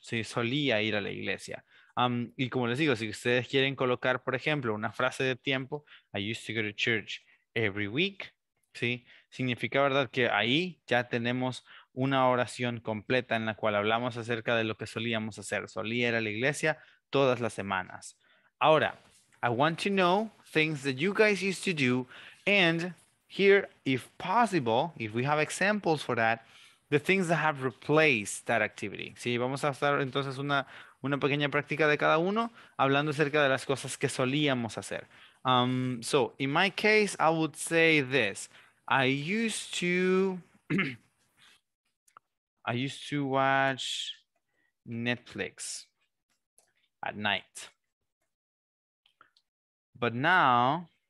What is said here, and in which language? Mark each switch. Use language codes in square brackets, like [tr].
[es] Sí, solía ir a la iglesia. Y como les digo, si ustedes quieren colocar, por ejemplo, una frase de tiempo, [en] I used to go to church every week, [es] ¿sí? Significa, ¿verdad?, que ahí ya tenemos una oración completa en la cual hablamos acerca de lo que solíamos hacer. Solía ir a la iglesia todas las semanas. Ahora, [en] I want to know things that you guys used to do and... here, if possible, if we have examples for that, the things that have replaced that activity. [es] Sí, vamos a hacer entonces una pequeña práctica de cada uno, hablando acerca de las cosas que solíamos hacer. [en] So, in my case, I would say this. I used to watch Netflix at night. But now...